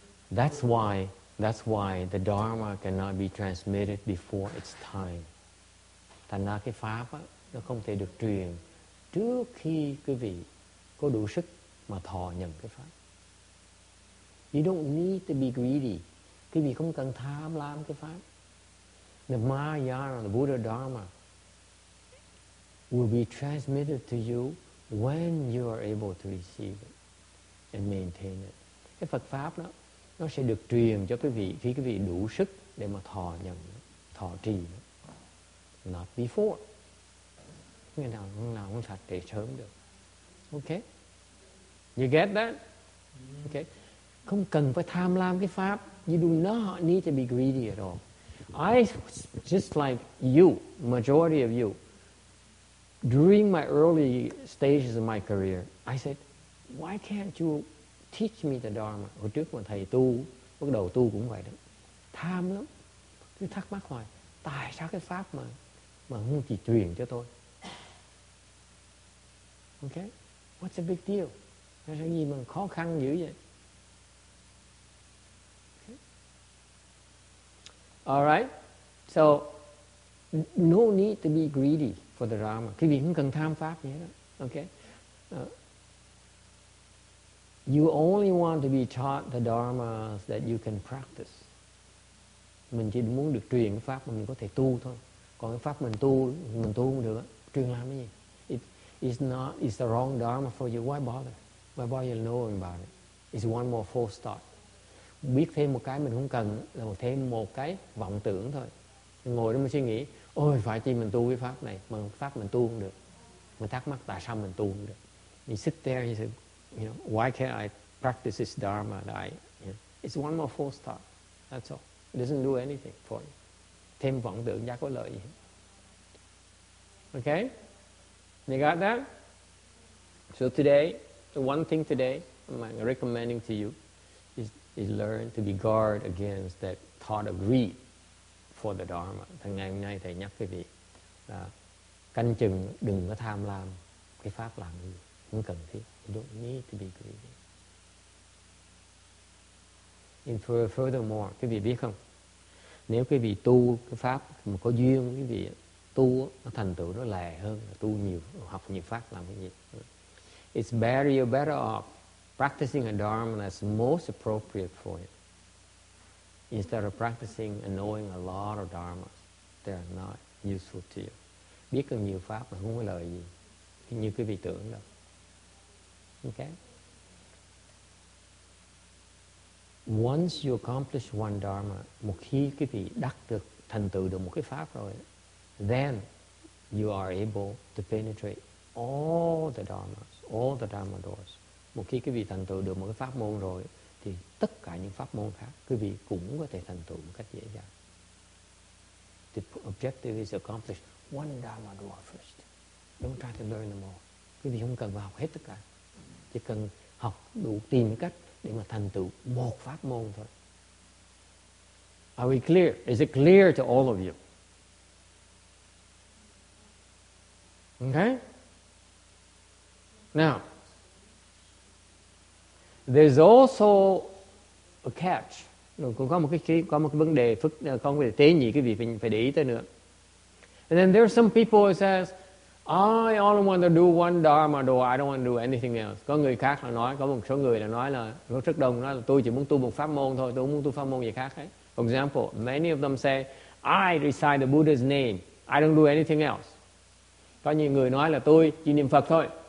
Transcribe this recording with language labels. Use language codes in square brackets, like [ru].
[en] That's why the Dharma cannot be transmitted before its time. [vi] Thành ra cái pháp á, nó không thể được truyền trước khi quý vị có đủ sức mà thọ nhận cái pháp. [en] You don't need to be greedy. [vi] Quý vị không cần tham lam cái pháp. [en] The Mahayana, the Buddha Dharma, will be transmitted to you when you are able to receive it and maintain it. [vi] Cái Phật pháp đó nó sẽ được truyền cho quý vị khi quý vị đủ sức để mà thọ nhận, thọ trì. [en] Not before. [vi] Người nào không nào cũng phải trễ sớm được. Okay? [en] You get that? [vi] Okay? Không cần phải tham lam cái pháp. [en] You do not need to be greedy at all. I, just like you, majority of you, during my early stages of my career, I said, why can't you teach me the Dharma? [vi] Hồi trước mà thầy tu, bắt đầu tu cũng vậy đó. Tham lắm. Cứ thắc mắc hoài, tại sao cái pháp mà không chỉ truyền cho tôi? Okay? [en] What's the big deal? [vi] Nó sẽ gì mà khó khăn dữ vậy? [en] All right, so no need to be greedy for the Dharma. [vi] Quý vị không cần tham pháp gì hết. [en] Okay, you only want to be taught the Dharma that you can practice. [vi] Mình chỉ muốn được truyền cái pháp mà mình có thể tu thôi. Còn cái pháp mình tu không được. Truyền làm cái gì? [en] It's the wrong Dharma for you. Why bother? Why bother knowing about it? It's one more false start. [vi] Biết thêm một cái mình không cần là một thêm một cái vọng tưởng thôi. Ngồi đó mình suy nghĩ, ôi phải chi mình tu cái pháp này, mà pháp mình tu không được. Mình thắc mắc tại sao mình tu không được. [en] You sit there and you say, you know, why can't I practice this Dharma that I, you know? It's one more false thought. That's all. It doesn't do anything for you. [vi] Thêm vọng tưởng giá có lợi gì. [en] Okay? You got that? So today, the one thing today I'm recommending to you is learn to be guard against that thought of greed for the Dharma. [vi] Thằng ngày hôm nay thầy nhắc quý vị là canh chừng đừng có tham lam cái pháp làm gì, không cần thiết. You don't need to be greedy. [en] And furthermore, [vi] quý vị biết không? Nếu quý vị tu cái pháp mà có duyên, quý vị tu nó thành tựu nó lẹ hơn, tu nhiều, học nhiều pháp làm cái gì. [en] It's better, you're better off practicing a Dharma that's most appropriate for you, instead of practicing and knowing a lot of Dharmas that are not useful to you. [vi] Biết được nhiều pháp mà không có lợi gì, như quý vị tưởng đâu. Okay? [en] Once you accomplish one Dharma, [vi] một khi quý vị đắc được, thành tựu được một cái pháp rồi, [en] then you are able to penetrate all the Dharmas, all the Dharma doors. [vi] Một khi quý vị thành tựu được một cái pháp môn rồi thì tất cả những pháp môn khác quý vị cũng có thể thành tựu một cách dễ dàng. [en] The objective is to accomplish one Dharma door first. Don't try to learn them all. [vi] Quý vị không cần vào hết tất cả. Chỉ cần học đủ tìm cách để mà thành tựu một pháp môn thôi. [en] Are we clear? Is it clear to all of you? Okay? Now, there's also a catch. [vi] Cũng có một cái vấn đề phức, không phải tế nhị cái vị phải để ý tới nữa. [en] And then there are some people who says, I only want to do one Dharma door. I don't want to do anything else. [vi] Có người khác là nói, có một số người là nói là rất đông nói là tôi chỉ muốn tu một pháp môn thôi, tôi không muốn tu pháp môn gì khác ấy. [en] For example, many of them say, I recite the Buddha's name. I don't do anything else. [vi] Có nhiều người nói là tôi chỉ niệm Phật thôi.